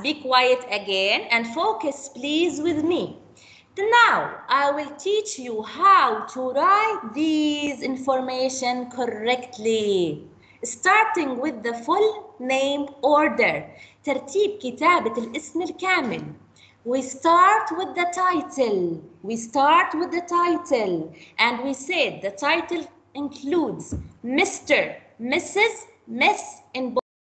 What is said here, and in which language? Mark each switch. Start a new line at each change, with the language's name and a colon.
English: Be quiet again and focus please with me. Now I will teach you how to write these information correctly. Starting with the full name order.
Arabic: ترتيب كتابة الاسم الكامل.
English: We start with the title. We start with the title. And we said the title includes Mr., Mrs., Miss in both.